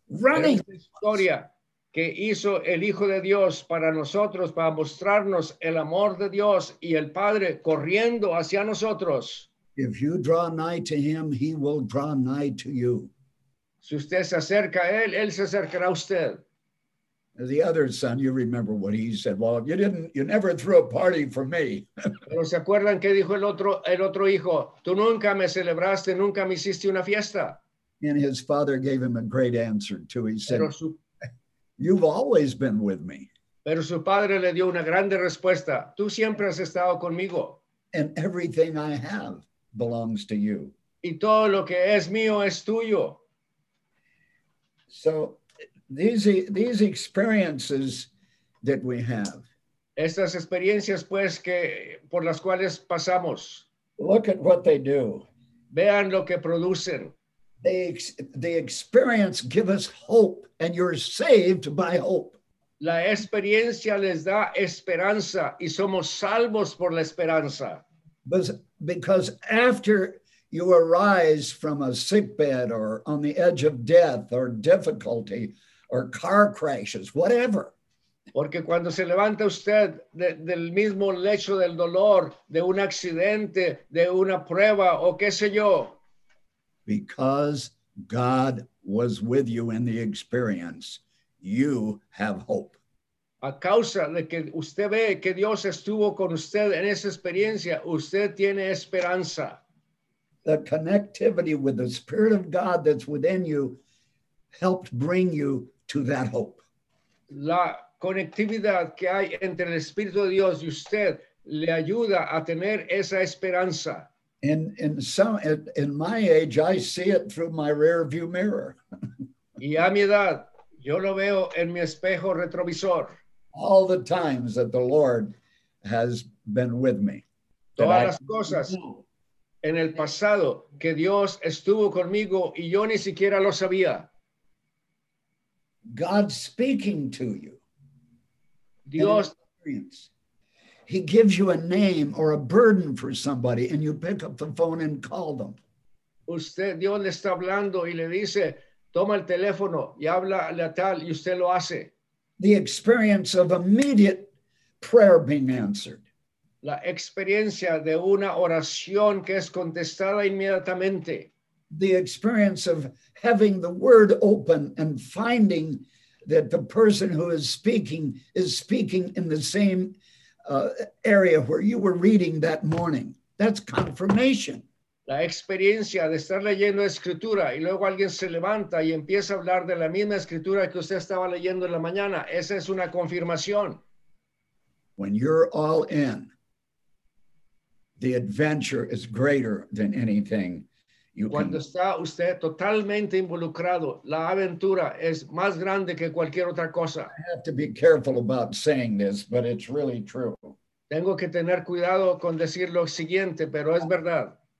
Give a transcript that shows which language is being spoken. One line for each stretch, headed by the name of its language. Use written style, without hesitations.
English: Running.
Spanish: Esta historia que hizo el Hijo de Dios para nosotros, para mostrarnos el amor de Dios y el Padre corriendo hacia nosotros.
English: If you draw nigh to him, he will draw nigh to you.
Spanish: Si usted se acerca a él, él se acercará a usted.
English: The other son, you remember what he said. Well, you never threw a party for me.
Spanish: Pero se acuerdan que dijo el otro hijo, tú nunca me celebraste, nunca me hiciste una fiesta.
English: And his father gave him a great answer too. He said, you've always been with me.
Spanish: Pero su padre le dio una grande respuesta. Tú siempre has estado conmigo.
English: And everything I have belongs to you.
Spanish: Y todo lo que es mío es tuyo.
English: So, These experiences that we have.
Spanish: Estas experiencias, pues, que por las cuales pasamos.
English: Look at what they do.
Spanish: Vean lo que producen.
English: The experience gives us hope, and you're saved by hope.
Spanish: La experiencia les da esperanza, y somos salvos por la esperanza.
English: Because after you arise from a sick bed or on the edge of death or difficulty, or car crashes, whatever.
Spanish: Porque cuando se levanta usted del mismo lecho del dolor, de un accidente, de una prueba, o qué sé yo.
English: Because God was with you in the experience, you have hope.
Spanish: A causa de que usted ve que Dios estuvo con usted en esa experiencia, usted tiene esperanza.
English: The connectivity with the Spirit of God that's within you helped bring you to that hope.
Spanish: La conectividad que hay entre el Espíritu de Dios y usted le ayuda a tener esa esperanza.
English: In my age, I see it through my rear view mirror.
Spanish: Y a mi edad, yo lo veo en mi espejo retrovisor.
English: All the times that the Lord has been with me.
Spanish: Todas las cosas en el pasado que Dios estuvo conmigo y yo ni siquiera lo sabía.
English: God speaking to you.
Spanish: Dios.
English: He gives you a name or a burden for somebody and you pick up the phone and call them.
Spanish: Usted, Dios le está hablando y le dice, toma el teléfono y habla a tal y usted lo hace.
English: The experience of immediate prayer being answered.
Spanish: La experiencia de una oración que es contestada inmediatamente.
English: The experience of having the word open and finding that the person who is speaking in the same area where you were reading that morning. That's confirmation.
Spanish: La experiencia de estar leyendo escritura y luego alguien se levanta y empieza a hablar de la misma escritura que usted estaba leyendo en la mañana, esa es una confirmación.
English: When you're all in, the adventure is greater than anything you
Spanish: Cuando
English: can...
Spanish: está usted totalmente involucrado, la aventura es más grande que cualquier otra cosa.
English: I have to be careful about saying this, but it's really true.
Spanish: Tengo que tener cuidado con decir lo siguiente, pero es verdad.